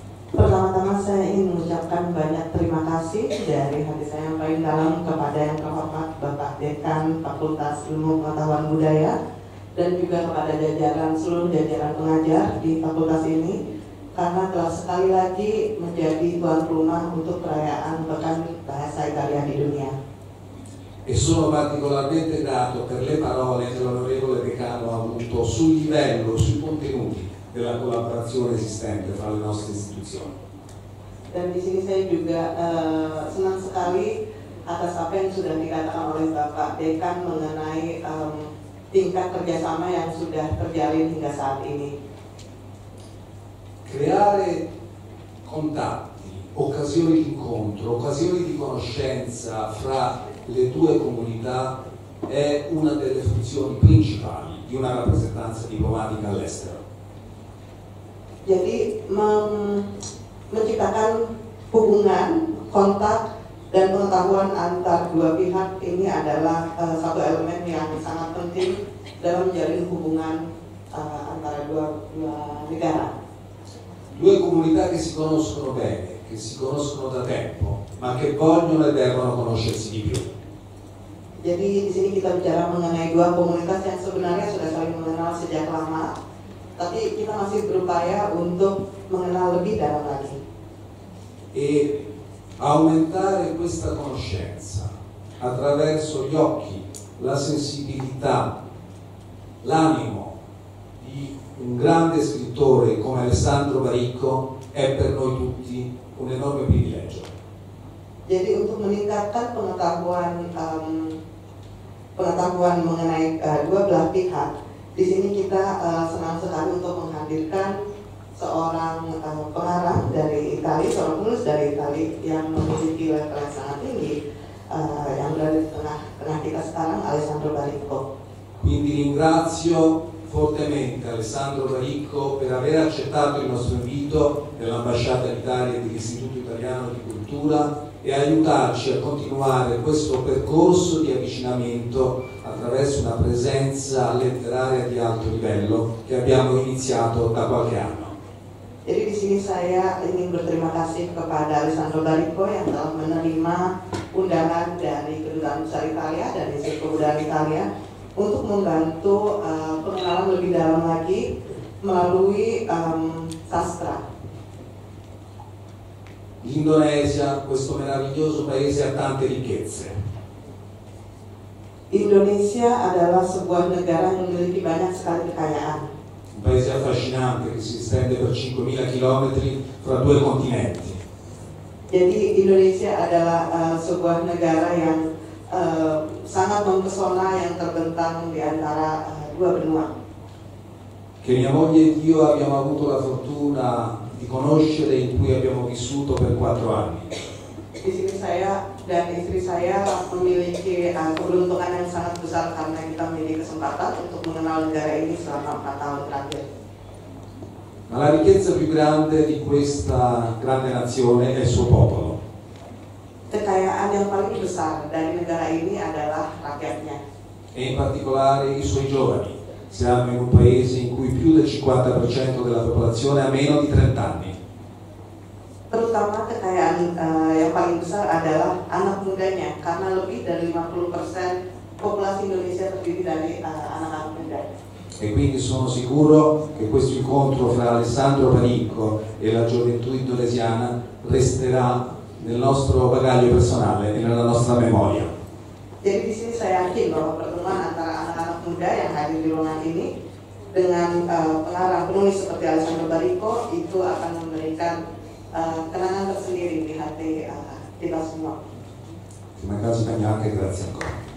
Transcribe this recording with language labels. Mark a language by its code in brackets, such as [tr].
[id] Pertama-tama saya ingin mengucapkan banyak terima kasih dari hati saya yang paling dalam kepada yang terhormat Bapak Dekan Fakultas Ilmu Pengetahuan Budaya dan juga kepada jajaran seluruh jajaran pengajar di fakultas ini karena telah sekali lagi menjadi tuan rumah untuk perayaan Pekan Bahasa Italia di dunia. [it] E sono particolarmente grato per le parole che l'onorevole Decano ha avuto sul livello, sui contenuti della collaborazione esistente fra le nostre istituzioni. [id] Dan di sini saya juga senang sekali atas apa yang sudah dikatakan oleh Bapak Dekan mengenai tingkat kerjasama yang sudah terjalin hingga saat ini. [it] Creare contatti, occasioni di incontro, occasioni di conoscenza fra le due comunità è una delle funzioni principali di una rappresentanza diplomatica all'estero. [id] Jadi menciptakan hubungan, kontak, dan pengetahuan antar dua pihak ini adalah satu elemen yang sangat penting dalam menjalin hubungan antara dua negara. [it] Due comunità che si conoscono bene, che si conoscono da tempo, ma che vogliono e devono conoscersi di più. [id] Jadi di sini kita bicara mengenai dua komunitas yang sebenarnya sudah saling mengenal sejak lama. Tapi kita masih berupaya untuk mengenal lebih dalam lagi. [it] E aumentare questa conoscenza attraverso gli occhi, la sensibilità, l'animo di un grande scrittore come Alessandro Baricco è per noi tutti un enorme privilegio. [id] Jadi untuk meningkatkan pengetahuan pengetahuan mengenai dua belah pihak. Di sini kita senang sekali untuk menghadirkan seorang pengarang dari Italia, seorang penulis dari Italia yang memiliki level yang sangat tinggi yang berada di tengah kita sekarang, Alessandro Baricco. [it] Quindi ringrazio fortemente Alessandro Baricco per aver accettato il nostro invito dell'Ambasciata d'Italia e dell'Istituto Italiano di Cultura e aiutarci a continuare questo percorso di avvicinamento attraverso una presenza letteraria di alto livello che abbiamo iniziato da qualche anno. [id] Jadi di sini saya ingin berterima kasih kepada Alessandro Baricco yang telah menerima undangan dari Kedutaan Besar Italia dan Institut Kebudayaan Italia untuk membantu pengenalan lebih dalam lagi melalui sastra. [it] L'Indonesia, questo meraviglioso paese, ha tante ricchezze. [id] Indonesia adalah sebuah negara yang memiliki banyak sekali kekayaan. [it] Un paese affascinante che si estende per 5.000 km fra due continenti. [id] Jadi Indonesia adalah sebuah negara yang sangat mempesona yang terbentang di antara dua benua. [it] Che mia moglie e io abbiamo avuto la fortuna di conoscere in cui abbiamo vissuto per 4 anni. [id] Di sini saya dan istri saya memiliki keberuntungan yang sangat besar karena kita memiliki kesempatan untuk mengenal negara ini selama 4 tahun terakhir. [it] Ma la ricchezza più grande di questa grande nazione è il suo popolo. [id] Kekayaan yang paling besar dari negara ini adalah rakyatnya. [it] E in particolare i suoi giovani. Siamo in un paese in cui più del 50% della popolazione ha meno di 30 anni. [id] terutama kekayaan yang paling besar adalah anak mudanya, karena lebih dari 50% populasi Indonesia terdiri dari anak-anak muda. [it] E quindi sono sicuro che questo incontro fra Alessandro Panicco e la gioventù indonesiana resterà nel nostro bagaglio personale e nella nostra memoria. [id] Jadi di sini saya yakin bahwa pertemuan antara anak-anak muda yang hadir di ruangan ini dengan pengarang penulis seperti Alessandro Panicco itu akan memberikan kenangan tersendiri di hati kita semua. Terima kasih banyak, [it] grazie ancora.